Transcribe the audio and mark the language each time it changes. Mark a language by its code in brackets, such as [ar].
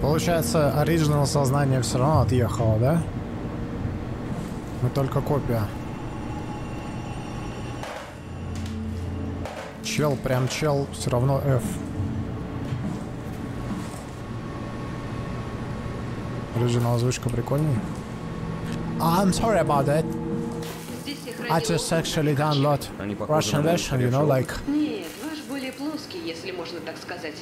[ru] Получается, оригинал сознания все равно отъехало, да? Мы только копия. Чел, прям чел, все равно F. Оригинал озвучка прикольней. [en] I'm sorry about that. I just actually download Russian version, you know, like... [ru] Нет, ваш более плоский, если можно так сказать.